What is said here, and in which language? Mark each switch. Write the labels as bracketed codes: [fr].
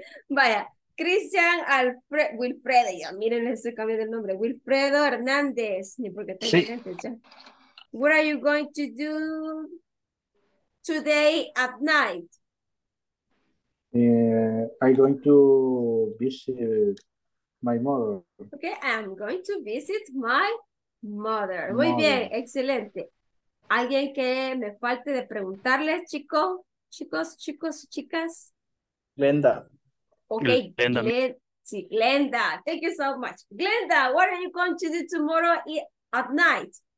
[es] Vaya, Cristian Wilfredo, ya miren, ese cambio del nombre. Wilfredo Hernández. Ni porque tengo gente ya. [en] What are you going to do today at night? I'm going to visit my mother. Okay, I'm going to visit my mother. [es] Muy bien, excelente. ¿Alguien que me falte de preguntarles, chicos, chicas? Glenda. [en] Okay, Glenda. Glenda. Thank you so much. Glenda, what are you going to do tomorrow at night?